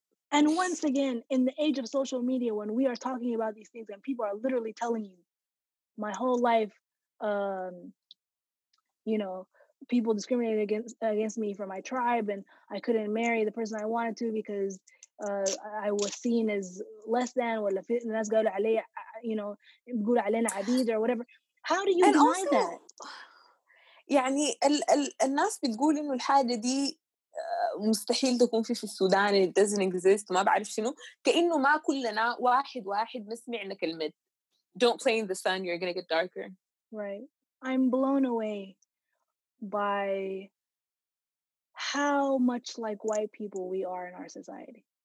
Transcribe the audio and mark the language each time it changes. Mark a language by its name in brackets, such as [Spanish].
[English] And once again, in the age of social media, when we are talking about these things and people are literally telling you, my whole life, you know, people discriminated against me for my tribe and I couldn't marry the person I wanted to because I was seen as less than [Arabic] ولا في الناس قالوا علي [English] you know [Arabic] بيقولوا علينا عبيد [English] or whatever how do you and deny also, that [Arabic] يعني الناس بتقول انه الحاجة دي مستحيل تكون في السودان [English] it doesn't exist [Arabic] ما بعرف شنو كأنه ما كلنا واحد ما سمعنا كلمة [English] don't play in the sun you're gonna get darker right I'm blown away by how much like white people we are in our society.